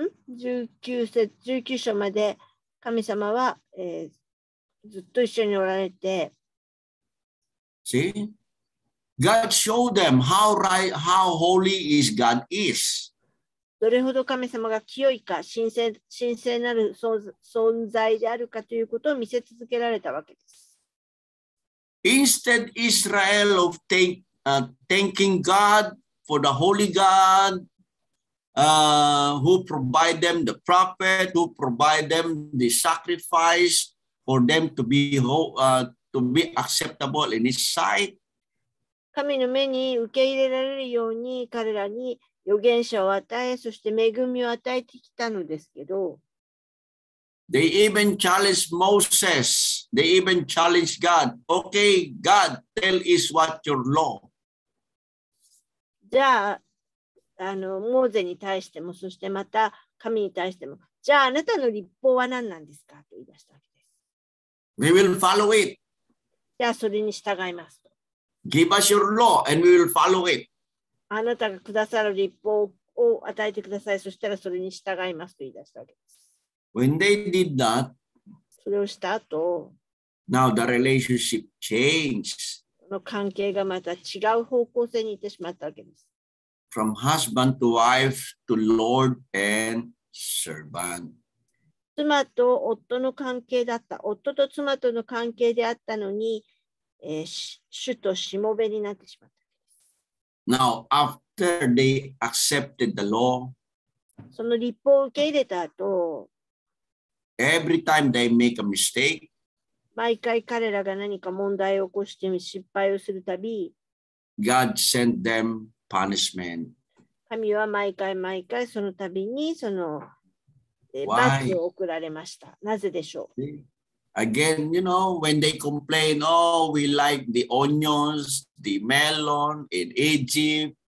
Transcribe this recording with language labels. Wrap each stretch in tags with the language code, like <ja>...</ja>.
<ja>19章まで神様は、ずっと一緒におられて。</ja> <en>See? God showed them how holy is God is.</en> <ja>どれほど神様が清いか、神聖なる存在であるかということを見せ続けられたわけです。</ja> <en>Instead, Israel of thanking God for the holy God, who provide them the prophet, who provide them the sacrifice for them to be acceptable in His sight.</en> <ja>神の目に受け入れられるように彼らに預言者を与え、そして恵みを与えてきたのですけど、</ja> <en>They even challenged Moses. They even challenged God. Okay, God, tell us what your law.</en> <ja>じゃあ、モーゼに対しても、そしてまた神に対しても、じゃああなたの律法は何なんですかと言い出したわけです。</ja> <en>We will follow it.</en> <ja>じゃあそれに従いますと。</ja> <en>Give us your law and we will follow it.</en> <ja>あなたがくださる律法を与えてください。そしたらそれに従いますと言い出したわけです。</ja> <en>When they did that,</en> <ja>それをした後、</ja> <en>Now the relationship changes.</en> <ja>その関係がまた違う方向性に行ってしまったわけです。</ja> <en>From husband to wife to lord and servant.</en> <ja>妻と夫の関係だった。夫と妻との関係であったのに、主と下辺になってしまった。</ja> <en>Now, after they accepted the law,</en> <ja>その立法を受け入れた後、</ja> <en>every time they make a mistake,</en> <ja>毎回彼らが何か問題を起こして失敗をするたび、</ja> <en>God sent them punishment.</en> <ja>神は毎回毎回そのたびにその罰を送られました。なぜでしょう？</ja> <en>Again, you know, when they complain, oh, we like the onions, the melon in Egypt.</en>